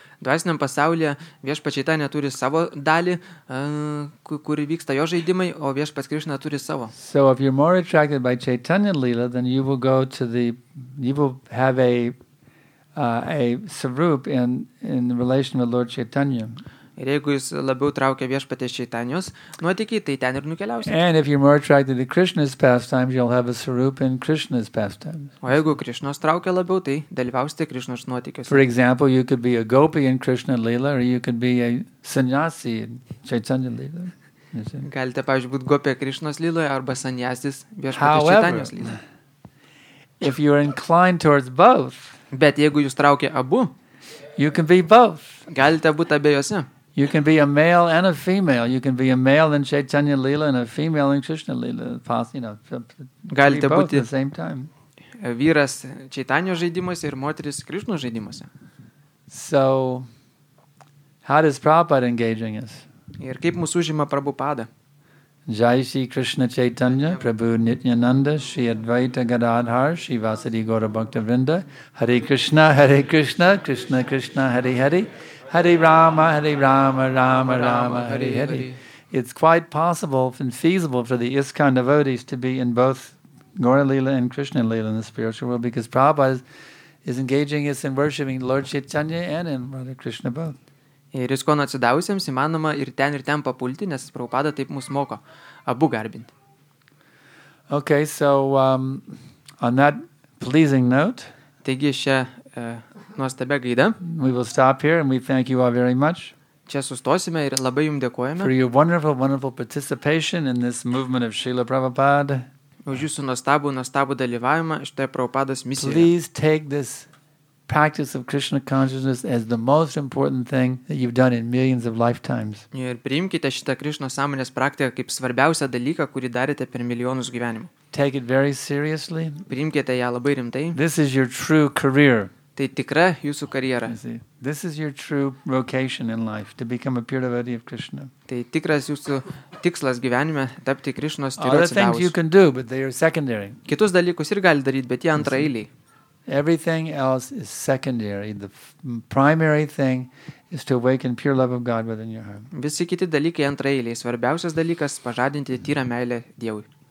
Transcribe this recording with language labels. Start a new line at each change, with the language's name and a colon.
Lithuanian: Dvasiniam pasaulyje Viešpats Chaitanya turi savo dalį, kuri vyksta jo žaidimai, o Viešpats Krishna turi savo.
English: So if you're more attracted by Chaitanya Lila, then you will go to the, you will have a sarup in relation with Lord Chaitanya.
Lithuanian: Ir jeigu jis labiau traukia Viešpatės Čaitanijos nuotykį, tai ten ir nukeliausi.
English: And if you're more attracted to Krishna's pastimes, you'll have a sarup in Krishna's pastimes.
Lithuanian: O jeigu Krishnos traukia labiau, tai dalyvausite Krishnos nuotykiuose.
English: For example, you could be a gopi in Krishna Lila, or you could be a sannyasi in Chaitanya Lila.
Lithuanian: Galite, pavyzdžiui, būti gopi Krishnos Lila arba sannyasis Viešpatės Čaitanijos Lila.
English: If you're inclined towards both,
Lithuanian: bet jeigu jūs traukia abu,
English: you can be both.
Lithuanian: Galite būti abiejose.
English: You can be a male and a female. You can be a male in Chaitanya Lila and a female in Krishna Lila.
Lithuanian: Galite
English: be
Lithuanian: būti
English: at the same time.
Lithuanian: Vyras Čaitanio žaidimuose ir moteris Krishno žaidimuose.
English: So, how does Prabhupada engaging us?
Lithuanian: Ir kaip mūsų užima Prabhupada?
Sanskrit: Jai Shri Krishna Chaitanya, Prabhu Nityananda, Shri Advaita Gadadhar, Shri Vasudeva Gaura Bhakta Vrinda, Hare Krishna, Hare Krishna, Krishna Krishna, Hare Hare, Hare Rama, Hare Rama, Rama Rama, Rama Hare Hare.
English: It's quite possible and feasible for the ISKCON devotees to be in both Gaura Lila and Krishna Lila in the spiritual world because Prabhupada is engaging us in worshipping Lord Chaitanya and in Radha Krishna both.
Lithuanian: Ir ISKCON atsidavusiems įmanoma ir ten papulti, nes Prabhupada taip mus moko abu garbinti.
English: Okay, so on that pleasing note.
Lithuanian: Taigi šia nuostabia gaida.
English: We will stop here and we thank you all very much.
Lithuanian: Čia sustosime ir labai jums dėkojame.
English: For your wonderful, wonderful participation in this movement of Srila Prabhupada.
Lithuanian: Už jūsų nuostabų dalyvavimą šitoje Prabhupados misijoje.
English: Please take this practice of Krishna consciousness as the most important thing that you've done in millions of lifetimes.
Lithuanian: Ir priimkite šitą Krishna sąmonės praktiką kaip svarbiausią dalyką, kurį darėte per milijonus gyvenimų.
English: Take it very seriously.
Lithuanian: Priimkite ją labai rimtai.
English: This is your true career.
Lithuanian: Tai tikra jūsų karjera.
English: This is your true vocation in life, to become a pure devotee of Krishna.
Lithuanian: Tai tikras jūsų tikslas gyvenime tapti Krishnos tyru atsidavus.
English: Other things you can do, but they are secondary.
Lithuanian: Kitus dalykus ir gali daryti, bet jie antraeiliai.
English: Everything else is secondary. The primary thing is to awaken pure love of God within your heart.
Lithuanian: Visi kiti dalykai antraeiliai. Svarbiausias dalykas pažadinti tyrą meilę Dievui.